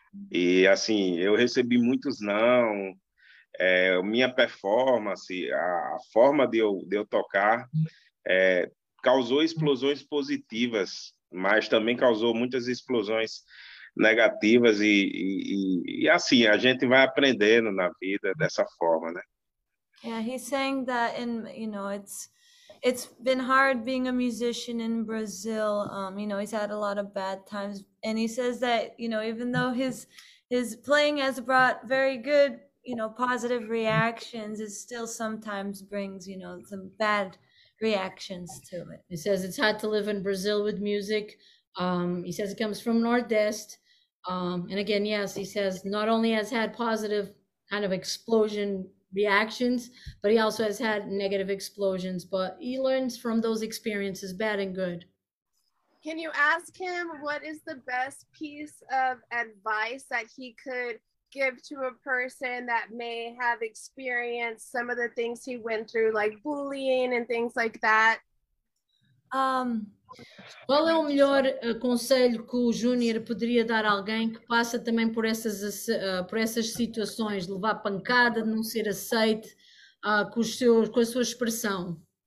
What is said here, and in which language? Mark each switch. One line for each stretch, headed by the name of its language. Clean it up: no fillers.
Portuguese: E assim, eu recebi muitos não. Minha performance, a forma de eu tocar, causou explosões positivas, mas também causou muitas explosões negativas e assim a gente vai aprendendo na vida dessa forma, né?
English: Yeah, he's saying that in, you know, it's been hard being a musician in Brazil. You know, he's had a lot of bad times, and he says that, you know, even though his playing has brought very good, you know, positive reactions, it still sometimes brings, you know, some bad reactions to it. He says it's hard to live in Brazil with music. He says it comes from Nordeste. And again, yes, he says not only has had positive kind of explosion reactions, but he also has had negative explosions. But he learns from those experiences, bad and good. Can you ask him what is the best piece of advice that he could give to a person that may have experienced some of the things he went through, like bullying and things like that?
Portuguese: Qual é o melhor conselho que o Júnior poderia dar a alguém que passa também por essas situações, de levar pancada, de não ser aceite, com a sua expressão?